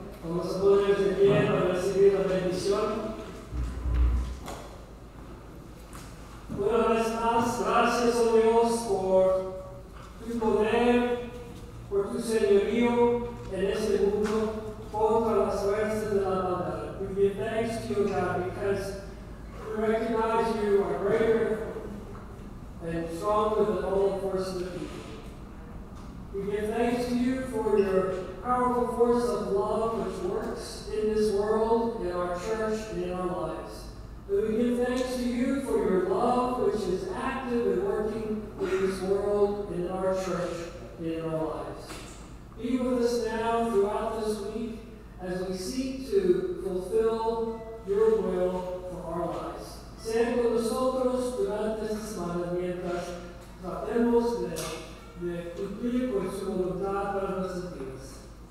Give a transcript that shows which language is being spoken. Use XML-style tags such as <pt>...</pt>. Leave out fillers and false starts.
<es>Vamos a poner de pie para recibir la bendición. Una vez más, gracias, oh Dios, por tu poder, por tu señorío en este mundo, contra las fuerzas de la maldad.</es> <en>We give thanks to you, God, because we recognize you are greater and stronger than all the forces of evil. We give thanks to you for your powerful force of love which works in this world, in our church, and in our lives. But we give thanks to you for your love, which is active and working in this world, in our church, in our lives. Be with us now throughout this week as we seek to fulfill your will for our lives.</en> <es>Sean con nosotros durante esta semana mientras tratemos de cumplir con su voluntad para nuestras vidas.</es>